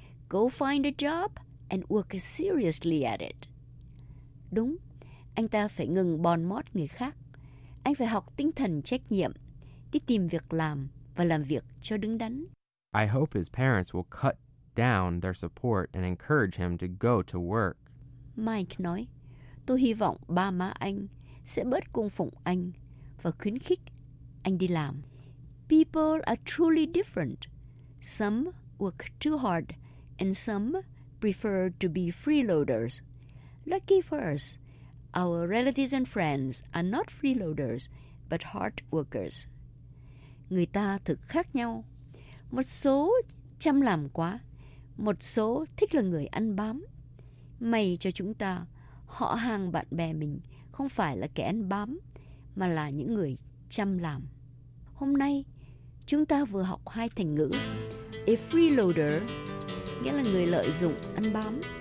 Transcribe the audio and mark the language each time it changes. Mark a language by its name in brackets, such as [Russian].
[English] Go find a job and work seriously at it. [Vietnamese] Đúng, anh ta phải ngừng bòn mót người khác. Anh phải học tinh thần trách nhiệm, đi tìm việc làm và làm việc cho đứng đắn. [English] I hope his parents will cut down their support and encourage him to go to work. [Vietnamese] Mike nói, tôi hy vọng ba má anh sẽ bớt cung phụng anh và khuyến khích anh đi làm. [English] People are truly different. Some work too hard and some prefer to be freeloaders. Lucky for us, our relatives and friends are not freeloaders but hard workers. [Vietnamese] Người ta thực khác nhau. Một số chăm làm quá, một số thích là người ăn bám. May cho chúng ta, họ hàng bạn bè mình không phải là kẻ ăn bám, mà là những người chăm làm. Hôm nay, chúng ta vừa học hai thành ngữ. A freeloader, nghĩa là người lợi dụng, ăn bám.